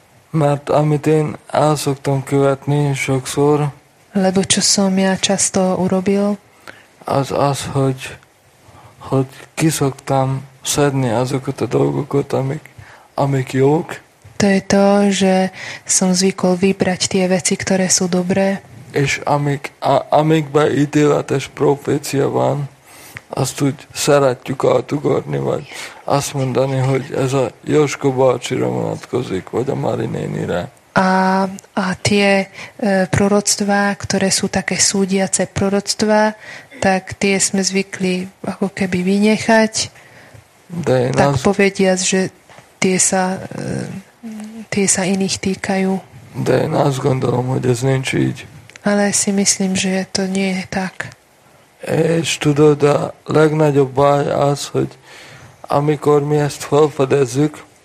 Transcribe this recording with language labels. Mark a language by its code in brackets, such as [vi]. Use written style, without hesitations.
[hu] Mert amit én el szoktam követni sokszor, [sk] lebo čo som ja často urobil, [hu] az, hogy ki szoktam szedni azokat a dolgokat, amik jók. [sk] To je to, že som zvykol vybrať tie veci, ktoré sú dobré. [hu] És amikben ítéletes profécia van, azt úgy szeretjük átugorni, vagy azt mondani, hogy ez a Jožko bácsira vonatkozik, vagy a Mari nénire. [sk] A tie proroctvá, ktoré sú také súdiace proroctvá, tak tie sme zvykli ako keby vynechať. Tak povedia, že tie sa iných týkajú. [hu] De nás gondolom, hogy ez nincs így. [sk] Ale si myslím, že to nie je tak. [hu] És tudod, a legnagyobb baj az, hogy amikor mi ezt felfedezzük,